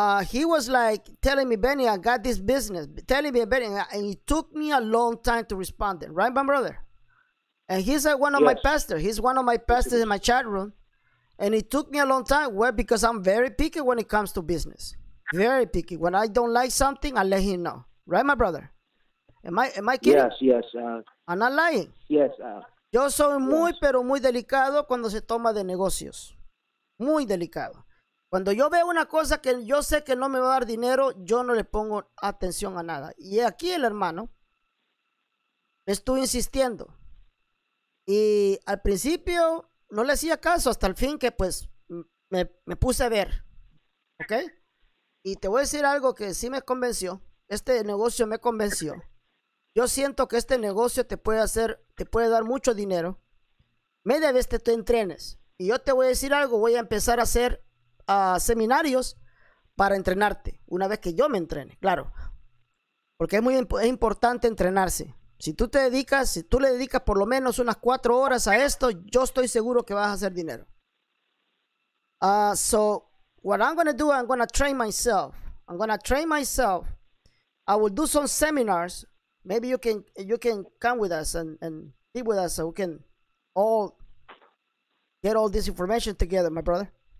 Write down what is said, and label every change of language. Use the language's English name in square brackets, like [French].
[English] He was like telling me, Benny, I got this business. Telling me, Benny, and it took me a long time to respond then. Right, my brother? And he's like one of my pastors. He's one of my pastors in my chat room. And it took me a long time. Well, because I'm very picky when it comes to business. Very picky. When I don't like something, I let him know. Right, my brother? Am I kidding? Yes. I'm not lying. Yes. [Spanish] Yo soy muy, pero muy delicado cuando se toma de negocios. Muy delicado. Cuando yo veo una cosa que yo sé que no me va a dar dinero, yo no le pongo atención a nada. Y aquí el hermano, estuve insistiendo. Y al principio no le hacía caso, hasta el fin que pues me puse a ver. ¿Ok? Y te voy a decir algo que sí me convenció. Este negocio me convenció. Yo siento que este negocio te puede dar mucho dinero. Media vez que tú entrenes. Y yo te voy a decir algo, voy a empezar a hacer seminarios para entrenarte una vez que yo me entrene, claro, porque es importante entrenarse. Si tú le dedicas por lo menos unas 4 horas a esto, yo estoy seguro que vas a hacer dinero. [English] So what I'm going to do, I'm going to train myself. I will do some seminars. Maybe you can come with us and be with us so we can all get all this information together, my brother.